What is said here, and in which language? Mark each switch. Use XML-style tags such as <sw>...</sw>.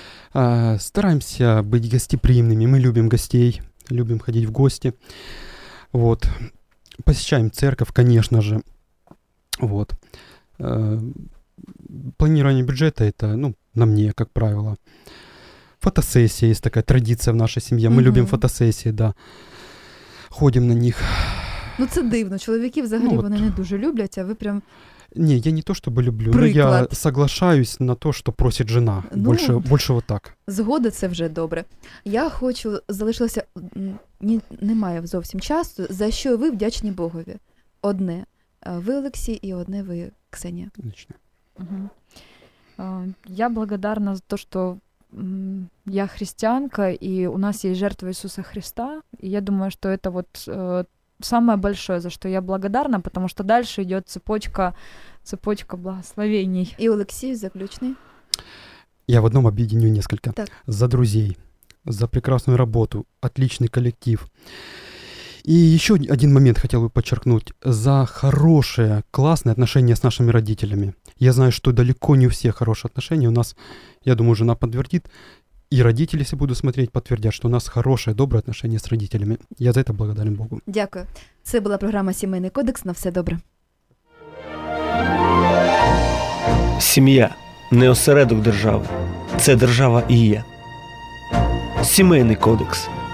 <ru>Стараемся быть гостеприимными. Мы любим гостей, любим ходить в гости. Вот. Посещаем церковь, конечно же. Вот. Планирование бюджета — это, ну, на мне, как правило. Фотосессия — есть такая традиция в нашей семье. Мы mm-hmm. любим фотосессии, да. Ходим на них.</ru> <uk>Ну, це дивно. Чоловіки взагалі, ну, вот. Вони не дуже люблять, а ви прям...</uk> <ru>Не, я не то, чтобы люблю,</ru> <uk>приклад.</uk> <ru>Но я соглашаюсь на то, что просит жена. Ну, больше вот так.</ru> <uk>Згода, це вже добре. Я хочу, залишилося, немає зовсім часу, за що ви вдячні Богові? Одне ви, Олексій, і одне ви, Ксенія.</uk> <ru>Отлично. Угу. Я благодарна за то,</ru> <uk>що я християнка, і у нас є жертва Ісуса Христа. І я думаю, що це от...</uk> <ru>Самое большое, за что я благодарна, потому что дальше идет цепочка благословений. И Алексей заключный. Я в одном объединю несколько. Так. За друзей, за прекрасную работу, отличный коллектив. И еще один момент хотел бы подчеркнуть. За хорошее, классное отношение с нашими родителями. Я знаю, что далеко не у всех хорошие отношения. У нас, я думаю, жена подтвердит.</ru> <uk>І родителі, якщо буду смотреть, підтвердять, що у нас хороше, добре отношення з родителями. Я за це благодарен Богу. Дякую. Це була програма «Сімейний кодекс». На все добре. Сім'я – не осередок держави. Це держава і є. «Сімейний кодекс».</uk>